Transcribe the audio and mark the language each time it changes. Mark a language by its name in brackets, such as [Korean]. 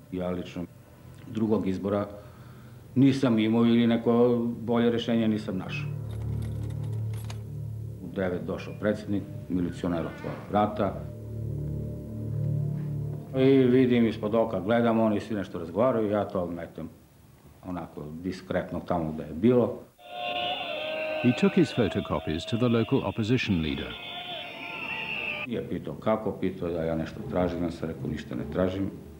[Serbian] Ja lično drugog izbora nisam imao ili neko bolje rešenje nisam našao. U 9 došao predsednik, milicioner otvorio vrata. I vidim ispod oka, gledam, oni svi nešto razgovaraju, ja to metem onako diskretno tamo gde je bilo. [English] He took his photocopies to the local opposition leader. [Serbian] Ja pitao kako, pitao da ja nešto tražim, ja sam rekao ništa ne tražim.